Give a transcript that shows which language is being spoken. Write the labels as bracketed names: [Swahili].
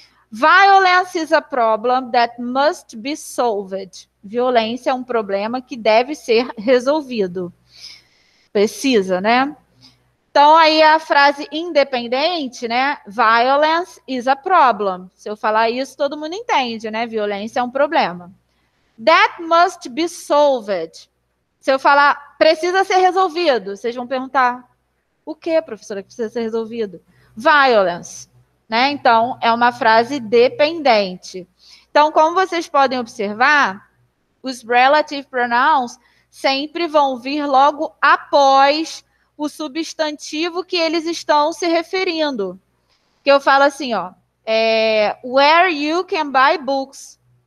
[English] Violence is a problem that must be solved. [Portuguese] Violência é um problema que deve ser resolvido. Precisa, né? Então, aí a frase independente, né? [English] Violence is a problem. [Portuguese] Se eu falar isso, todo mundo entende, né? Violência é um problema. [English] That must be solved. [Portuguese] Se eu falar, precisa ser resolvido, vocês vão perguntar, o que, professora, que precisa ser resolvido? Violence, né? Então, é uma frase dependente. Então, como vocês podem observar, os relative pronouns sempre vão vir logo após o substantivo que eles estão se referindo. Que eu falo assim, ó, [English] where you can buy books.